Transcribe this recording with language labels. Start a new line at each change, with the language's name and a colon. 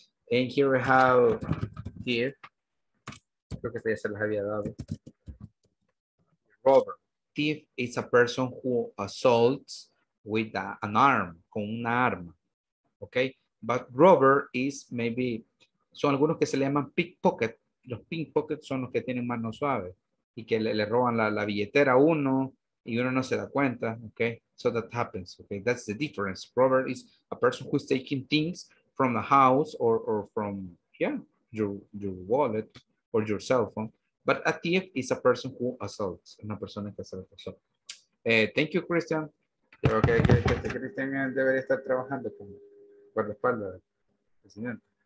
English: And here we have, here,
Spanish: creo que ya se las había dado. Robber.
English: Thief is a person who assaults with an arm,
Spanish: con una arma,
English: okay? But robber is maybe,
Spanish: son algunos que se le llaman pickpocket. Los pickpockets son los que tienen mano suave y que le roban la billetera a uno y uno no se da cuenta, okay?
English: So that happens, okay? That's the difference. Robber is a person who's taking things from the house or from, yeah, your wallet or your cell phone. But a thief is a person who assaults.
Spanish: Una persona que asalta.
English: So, thank you,
Spanish: Christian. Okay, Christian debería estar trabajando con guardaespaldas, presidente.